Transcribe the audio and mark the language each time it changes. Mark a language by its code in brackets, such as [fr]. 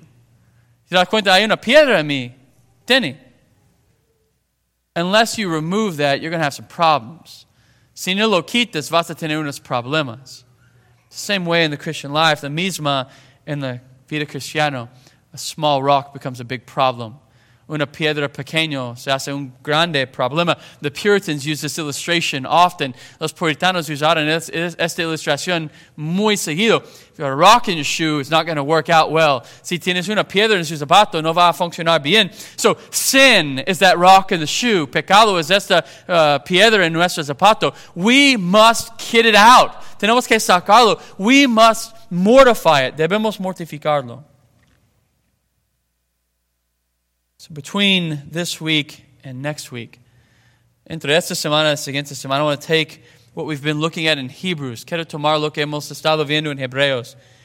[es] Te das cuenta, hay una piedra en mi tenis. [en] Unless you remove that, you're going to have some problems. [es] Si no lo quitas, vas a tener unos problemas. [en] Same way in the Christian life, the misma in the [es] vida cristiano, [en] a small rock becomes a big problem. [es] Una piedra pequeño se hace un grande problema. [en] The Puritans use this illustration often. [es] Los puritanos usaron esta ilustración muy seguido. [en] If you have a rock in your shoe, it's not going to work out well. [es] Si tienes una piedra en su zapato, no va a funcionar bien. [en] So sin is that rock in the shoe. [es] Pecado es esta piedra en nuestro zapato. [en] We must get it out. [es] Tenemos que sacarlo. [en] We must mortify it. [es] Debemos mortificarlo. [en] So between this week and next week, [es] entre esta semana y la siguiente semana, [en] I want to take what we've been looking at in Hebrews. [es] Quiero tomar lo que hemos estado viendo en Hebreos.